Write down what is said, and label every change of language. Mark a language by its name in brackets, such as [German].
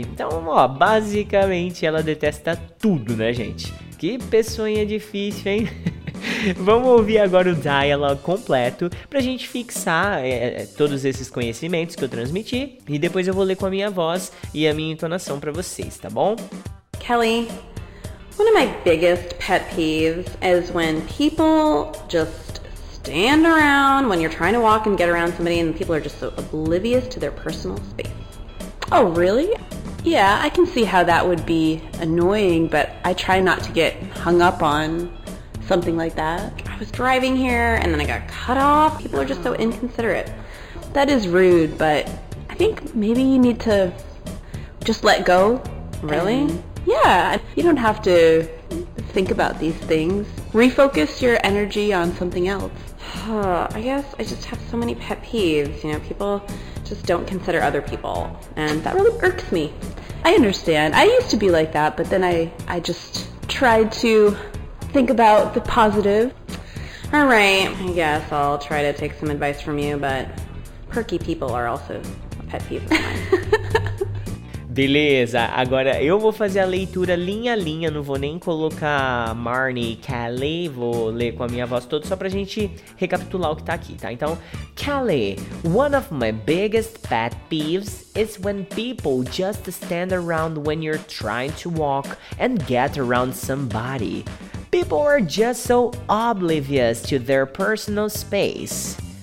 [Portuguese] Então, ó, basicamente ela detesta tudo, né, gente? Que peçonha difícil, hein? Vamos ouvir agora o dialogue completo pra gente fixar todos esses conhecimentos que eu transmiti e depois eu vou ler com a minha voz e a minha entonação pra vocês, tá bom? [English] Kelly, one of my biggest pet peeves is when people just stand around when you're trying to walk and get around somebody and people are just so oblivious to their personal space. Oh, really? Yeah, I can see how that would be annoying, but I try not to get hung up on something like that. I was driving here and then I got cut off. People are just so inconsiderate. That is rude, but I think maybe you need to just let go. Really? Yeah, you don't have to think about these things. Refocus your energy on something else. I guess I just have so many pet peeves. You know, people just don't consider other people. And that really irks me. I understand. I used to be like that, but then I just tried to think about the positive. All right, I guess I'll try to take some advice from you, but perky people are also a pet peeve of mine. [Portuguese] Beleza, agora eu vou fazer a leitura linha a linha, não vou nem colocar Marnie, Kelly, vou ler com a minha voz toda só pra gente recapitular o que tá aqui, tá? [English] Então, Kelly, one of my biggest pet peeves is when people just stand around when you're trying to walk and get around somebody. People are just so oblivious to their personal space.